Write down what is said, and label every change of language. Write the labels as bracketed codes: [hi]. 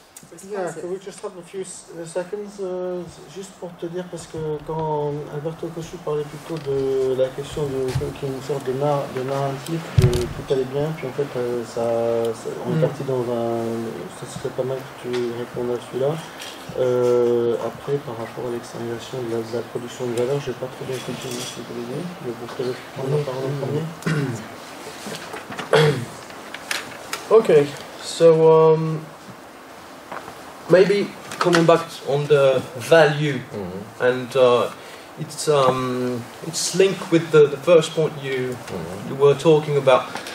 [en] Would you like to respond to the responses? Yeah, could we just have a few seconds? [fr] Juste pour te dire, parce que quand Alberto Cochu parlait plutôt de la question de qui est une sorte de narratif, de tout allait bien, puis en fait, on est parti dans un. Ça serait pas mal que tu répondes à celui-là. Après, par rapport à l'extériorisation de la production de valeur, j'ai pas trop bien compris ce que tu voulais dire, mais vous pouvez prendre la parole en premier. Ok. [en] So maybe coming back on the value, and it's linked with the first point you were talking about.